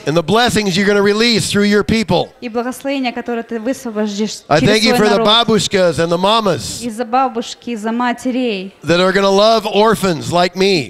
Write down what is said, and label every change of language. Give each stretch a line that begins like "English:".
English: And the blessings you're going to release through your people.
Russian: И благословения, которые ты высвободишь через свой народ.
English: I thank you for the babushkas and the mamas.
Russian: И за бабушки, за матерей.
English: That are going to love orphans like me.